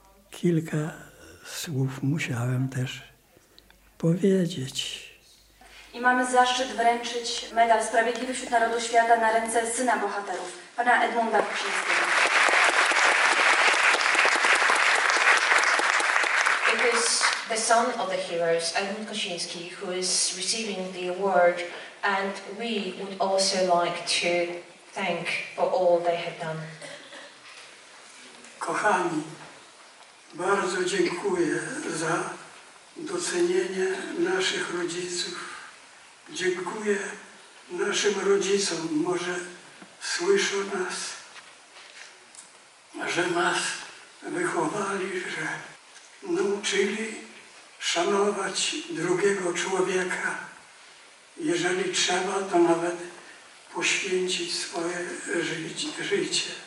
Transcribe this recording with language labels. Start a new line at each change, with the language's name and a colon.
Polish: Kilka słów musiałem też powiedzieć. I mamy zaszczyt wręczyć medal Sprawiedliwy wśród Narodu Świata na ręce syna bohaterów, pana Edmunda Krzyńskiego.
English: The son of the heroes, Edmund Kosciński, who is receiving the award, and we would also like to thank for all they have done.
Polish: Kochani, bardzo dziękuję za docenienie naszych rodziców. Dziękuję naszym rodzicom, może słyszą nas, że nas wychowali, że nauczyli szanować drugiego człowieka, jeżeli trzeba, to nawet poświęcić swoje życie.